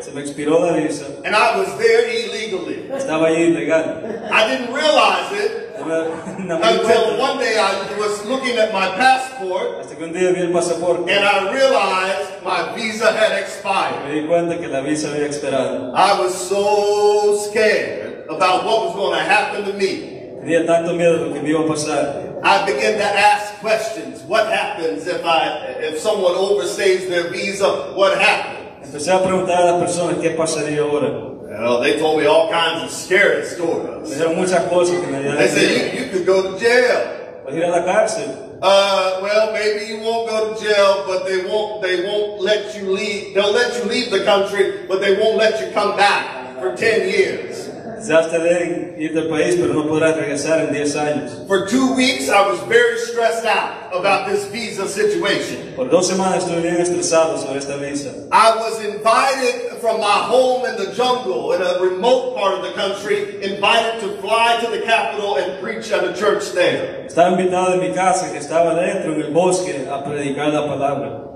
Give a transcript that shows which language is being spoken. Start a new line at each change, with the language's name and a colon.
Spanish: Se me expiró la visa.
English: And I was there illegally.
Spanish: Estaba allí ilegal.
English: I didn't realize it until one day I was looking at my passport.
Spanish: Hasta que un día vi el pasaporte.
English: And I realized my visa had expired.
Spanish: Me di cuenta que la visa había expirado.
English: I was so scared about what was going to happen to me.
Spanish: Tenía tanto miedo de lo que me iba a pasar.
English: I begin to ask questions. What happens if someone overstays their visa? What happens?
Spanish: Empecé a preguntar a las personas qué pasaría ahora.
English: Well, they told me all kinds of scary stories.
Spanish: Me dieron muchas cosas que me dieron.
English: They said you could go to jail.
Spanish: Voy a ir a la cárcel.
English: Well, maybe you won't go to jail, but they won't let you leave. They'll let you leave the country, but they won't let you come back for 10 years. For 2 weeks, I was very stressed out about this visa situation.
Spanish: Por 2 semanas estuve bien estresado sobre esta visa.
English: I was invited from my home in the jungle, in a remote part of the country, invited to fly to the capital and preach at a church there.
Spanish: Estaba invitado de mi casa que estaba dentro en el bosque a predicar la palabra.